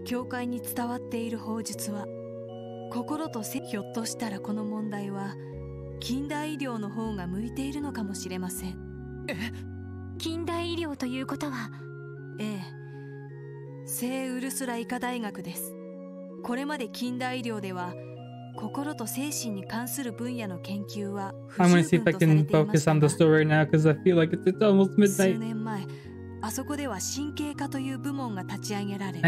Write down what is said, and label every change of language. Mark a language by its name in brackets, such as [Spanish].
[Japanese] 教会に伝わっている法術は、心とせ、ひょっとしたらこの問題は、近代医療の方が向いているのかもしれません。え？近代医療ということは？ええ。聖ウルスラ医科大学です。これまで近代医療では、心と精神に関する分野の研究は不十分とされていました。 [English] I'm gonna see if I can focus on the story now because I feel like it's almost midnight. [Japanese] 数年前、あそこでは神経科という部門が立ち上げられ、